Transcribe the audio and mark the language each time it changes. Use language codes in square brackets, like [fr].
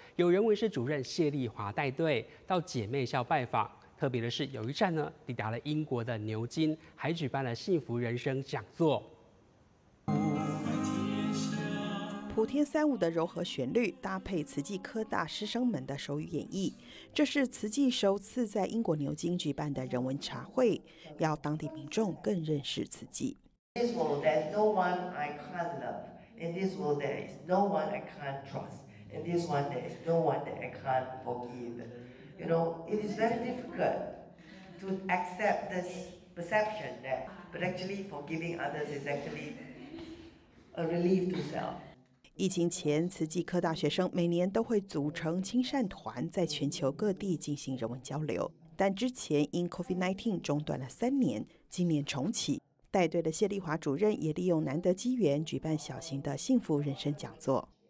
[zh] 有人文室主任谢丽华带队到姐妹校拜访，特别的是有一站呢抵达了英国的牛津，还举办了幸福人生讲座。普天三舞的柔和旋律搭配慈济科大师生们的手语演绎，这是慈济首次在英国牛津举办的人文茶会，要当地民众更认识慈济。 [en] In this world, there's no one I can't love. In this world, there is no one I can't trust. In this one, there is no one that I can't forgive. You know, it is very difficult to accept this perception that, but actually, forgiving others is actually a relief to self. [zh] 疫情前，慈济科大学生每年都会组成亲善团，在全球各地进行人文交流。但之前因 COVID-19 中断了三年，今年重启。带队的谢丽华主任也利用难得机缘，举办小型的幸福人生讲座。